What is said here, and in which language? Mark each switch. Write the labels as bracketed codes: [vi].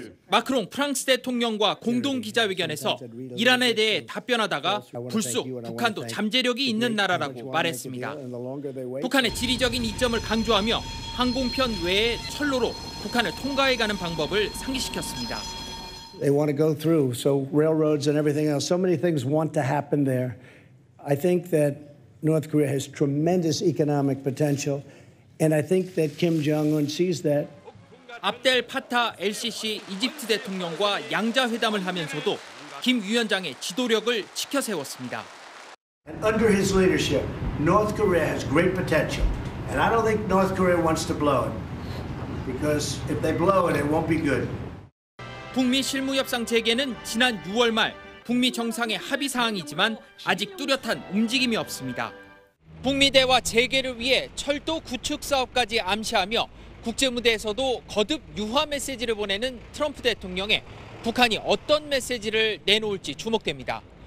[ko] 마크롱 프랑스 대통령과 공동 기자회견에서 이란에 대해 답변하다가 불쑥 북한도 잠재력이 있는 나라라고 말했습니다. 북한의 지리적인 이점을 강조하며 항공편 외에 철로로 북한을 통과해가는 방법을 상기시켰습니다. [en] They want to go through, so railroads and everything else. So many things want to happen there. I think that North Korea has tremendous economic potential, and I think that Kim Jong-un sees that. [ko] 압델 파타 LCC 이집트 대통령과 양자 회담을 하면서도 김 위원장의 지도력을 치켜세웠습니다. [en] Under his leadership, North Korea has great potential, and I don't think North Korea wants to blow it because if they blow it, it won't be good. [ko] 북미 실무 협상 재개는 지난 6월 말 북미 정상의 합의 사항이지만 아직 뚜렷한 움직임이 없습니다. 북미 대화 재개를 위해 철도 구축 사업까지 암시하며. 국제무대에서도 거듭 유화 메시지를 보내는 트럼프 대통령에 북한이 어떤 메시지를 내놓을지 주목됩니다.